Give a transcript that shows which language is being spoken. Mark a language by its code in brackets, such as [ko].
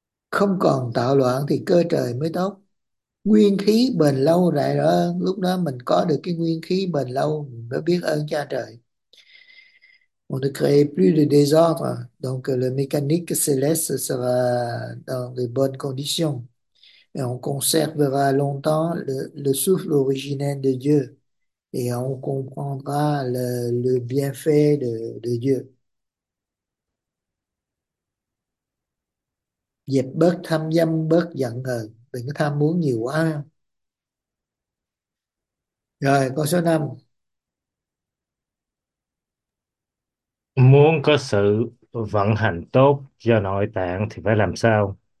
[vi] Không còn tạo loạn thì cơ trời mới tốt. Nguyên khí bền lâu lại rõ ơn. Lúc đó mình có được cái nguyên khí bền lâu mình mới biết ơn cha trời. [fr] On ne crée plus de désordre, donc le mécanique céleste sera dans de bonnes conditions. Et on conservera longtemps le souffle originel de Dieu. Et on comprendra le bienfait de Dieu. [vi] Dẹp bớt tham dâm, bớt giận hờn. Đừng có tham muốn nhiều quá. Rồi, câu số 5. Muốn có sự vận hành tốt cho nội tạng thì phải làm sao?